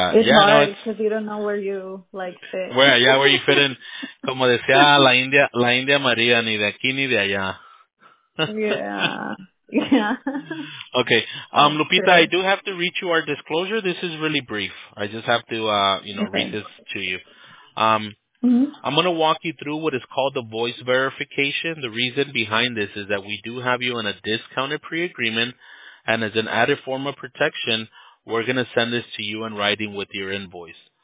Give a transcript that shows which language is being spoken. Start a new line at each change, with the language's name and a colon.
English: it's hard because you don't know where you, like, fit. Where you fit in.
Spanish: Como decía la India María, ni de aquí ni de allá.
English: Yeah. Okay. Lupita, I do have to read you our disclosure. This is really brief. I just have to, read this to you. I'm going to walk you through what is called the voice verification. The reason behind this is that we do have you in a discounted pre-agreement, and as an added form of protection, we're going to send this to you in writing with your invoice.